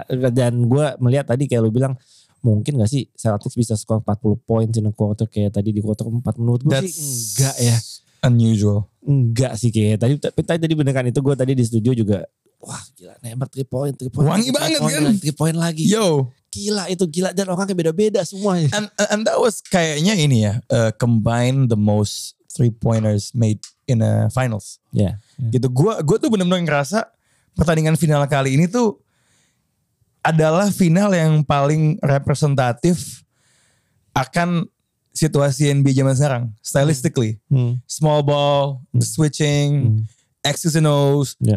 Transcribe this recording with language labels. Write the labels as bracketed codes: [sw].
[id] Dan gue melihat tadi kayak lu bilang mungkin nggak sih Celtics bisa skor 40 points [en] in a quarter [id] kayak tadi di quarter 4 menurut gue sih enggak ya, [en] unusual [id] enggak sih kayak tadi. Tapi tadi benerkan itu gue tadi di studio juga. Wah gila, nembak 3 point, 3 point. Wangi banget point, kan? 3 point lagi. Yo. Gila itu gila, dan orangnya beda-beda semuanya. [en] And that was [id] kayaknya ini ya, [en] combine the most 3 pointers made in a finals. Ya. Yeah. [id] Gitu, gua tuh benar-benar ngerasa pertandingan final kali ini tuh adalah final yang paling representatif akan situasi NBA zaman sekarang, stylistically. [en] Small ball, switching, X's and O's, yeah.